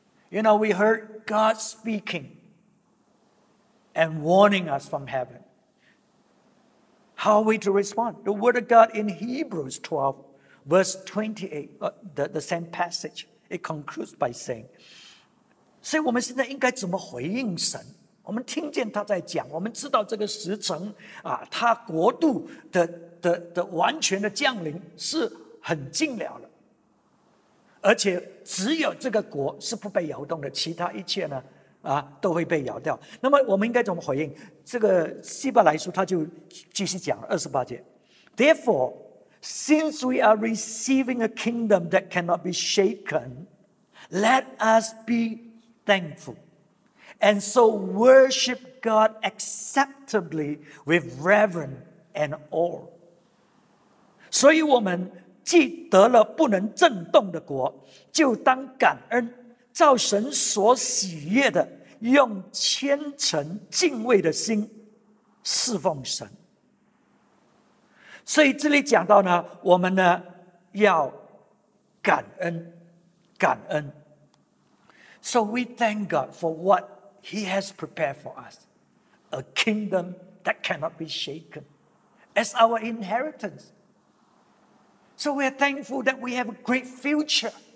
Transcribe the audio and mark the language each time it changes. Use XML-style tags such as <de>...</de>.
<en>You know, we heard God speaking and warning us from heaven. How are we to respond? The word of God in Hebrews 12Verse 28, the same passage, it concludes by saying,</en> <zh>所以我们现在应该怎么回应神？我们听见他在讲，我们知道这个时辰啊，他国度的完全的降临是很近了了，而且只有这个国是不被摇动的，其他一切呢啊都会被摇掉。那么我们应该怎么回应？这个希伯来书他就继续讲28节 ，Therefore.</zh> <en>Since we are receiving a kingdom that cannot be shaken, let us be thankful. And so worship God acceptably with reverence and awe.</en> <zh>所以我们既得了不能震动的国，就当感恩，照神所喜悦的，用虔诚敬畏的心侍奉神。所以这里讲到呢，我们呢要感恩，感恩。</zh> <en>So we thank God for what He has prepared for us, a kingdom that cannot be shaken, as our inheritance. So we are thankful that we have a great future.</en>